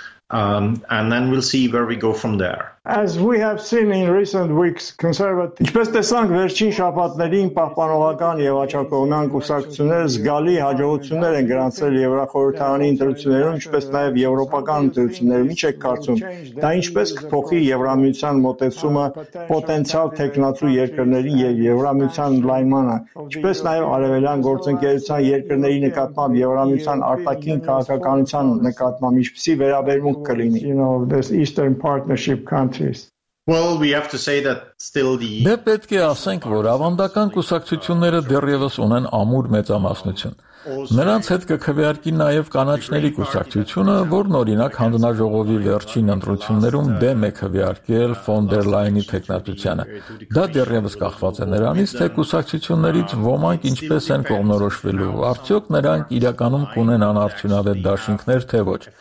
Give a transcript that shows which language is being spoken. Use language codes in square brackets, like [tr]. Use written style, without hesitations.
[en] And then we'll see where we go from there. As we have seen in recent weeks, conservative. [hy] Ինչպես տեսանք վերջին շաբաթներին պահպանողական եւ աջակողմյան կուսակցությունները զգալի հաջողություններ են գրանցել եվրախորհրդարանի ընտրություններում, ինչպես նաեւ եվրոպական ընտրություններում, ինչ եք կարծում, դա ինչպես կփոխի եվրամիության մոտեցումը պոտենցիալ տեխնացու երկրների եւ եվրամիության լայմանը, ինչպես նաեւ արևելյան գործընկերության երկրների նկատմամբ եվրամիության արտաքին քաղաքականության նկատմամբ ինչպեսի վերաբերում [en] You know, this Eastern Partnership countries. Well, we have to say that still the. [hy] Դե պետք է ասենք, որ ավանդական կուսակցությունները դեռևս ունեն ամուր մեծամասնություն. Նրանց հետ կքվեարկի նաև կանաչների կուսակցությունը, որն օրինակ հանձնաժողովի վերջին ընտրություններում դեմ է քվեարկել ֆոն դեր Լայնի թեկնածությանը։ Դա դեռևս կախված է նրանից, թե կուսակցություններից ոմանք ինչպես են կողմնորոշվելու, արդյոք նրանք իրականում կունենան արդյունավետ դաշինքներ, թե ոչ։